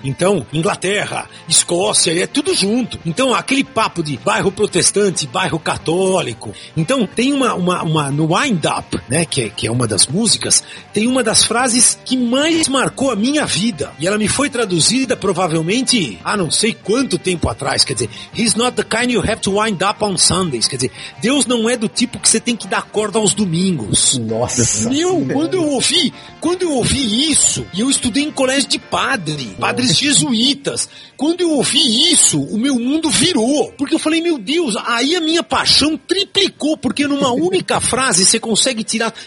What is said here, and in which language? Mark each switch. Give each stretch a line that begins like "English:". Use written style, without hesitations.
Portuguese: Então, Inglaterra, Escócia, é tudo junto. Então, aquele papo de bairro protestante, bairro católico. Então, tem uma no Wind Up, né, que é uma das músicas, tem uma das frases que mais marcou a minha vida. E ela me foi traduzida provavelmente há não sei quanto tempo atrás. Quer dizer,
English: He's not the kind you have to wind up on Sundays.
Portuguese: Quer dizer, Deus não é do tipo que você tem que dar corda aos domingos. Nossa. Meu, quando eu ouvi isso, e eu estudei em colégio de padre, padres jesuítas. Quando eu ouvi isso, o meu mundo virou, porque eu falei, meu Deus, aí a minha paixão triplicou, porque numa única frase você consegue tirar.